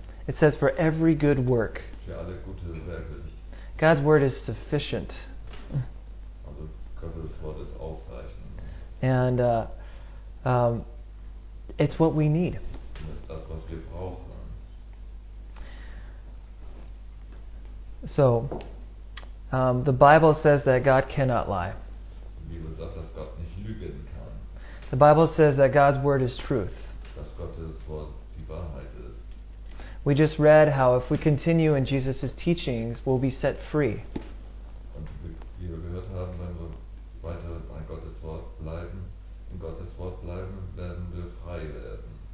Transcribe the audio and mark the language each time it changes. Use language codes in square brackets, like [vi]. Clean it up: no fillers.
[en] It says for every good work. [de] Für alle gute Werke. [en] God's word is sufficient. [de] Also Gottes Wort ist ausreichend. [en] And it's what we need. [de] Und es ist das, was wir brauchen. [en] So, the Bible says that God cannot lie. [de] Die Bibel sagt, dass Gott nicht lügen kann. [en] The Bible says that God's word is truth. [de] Dass Gottes Wort die Wahrheit ist. [en] We just read how if we continue in Jesus' teachings, we'll be set free. [de] Und wie wir gehört haben, wenn wir weiter an Gottes Wort bleiben, in Gottes Wort bleiben, werden wir frei werden.